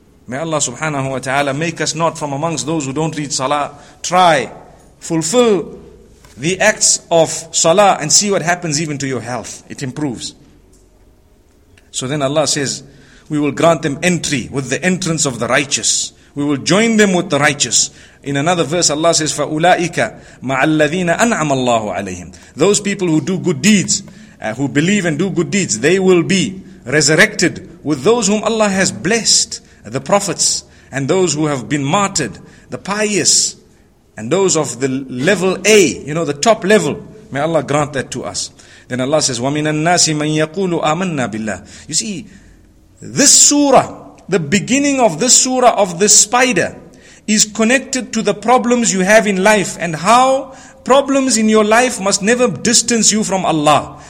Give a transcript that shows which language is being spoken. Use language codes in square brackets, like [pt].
[en] May Allah subhanahu wa ta'ala make us not from amongst those who don't read salah. Try, fulfill the acts of salah and see what happens even to your health. It improves. So then Allah says, we will grant them entry with the entrance of the righteous. We will join them with the righteous. In another verse Allah says, [ar] فَأُولَٰئِكَ مَعَ الَّذِينَ أَنْعَمَ اللَّهُ عَلَيْهِمْ. [en] Those people who do good deeds, who believe and do good deeds, they will be resurrected with those whom Allah has blessed, the prophets and those who have been martyred, the pious, and those of the level A, you know, the top level. May Allah grant that to us. Then Allah says, [ar] وَمِنَ النَّاسِ مَنْ يَقُولُ آمَنَّا بِاللَّهِ. [en] You see, this surah, the beginning of this surah of the spider, is connected to the problems you have in life, and how problems in your life must never distance you from Allah.